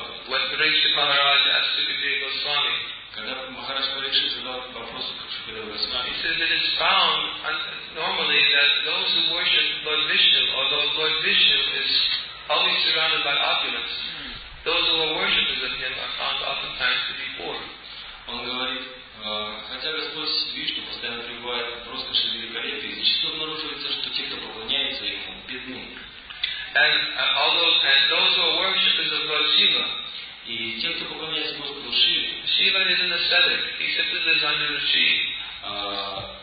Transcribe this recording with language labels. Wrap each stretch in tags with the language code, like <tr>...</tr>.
<en>When Pariksit Maharaj asked Sukadeva Goswami, he says it is found normally that those who worship Lord Vishnu, although Lord Vishnu is always surrounded by opulence, those who are worshippers of him are found oftentimes to be poor.</en> <ru>Он говорит, хотя Господь Вишну постоянно пребывает в роскоши великолепии, зачастую обнаруживается, что те, кто поклоняется ему, бедны.</ru> <en>And those who are worshippers of Lord Shiva.</en> <ru>И те, кто поклоняется Господу Шиве,</ru> <en>Шива is an ascetic, he simply lives under the tree.</en>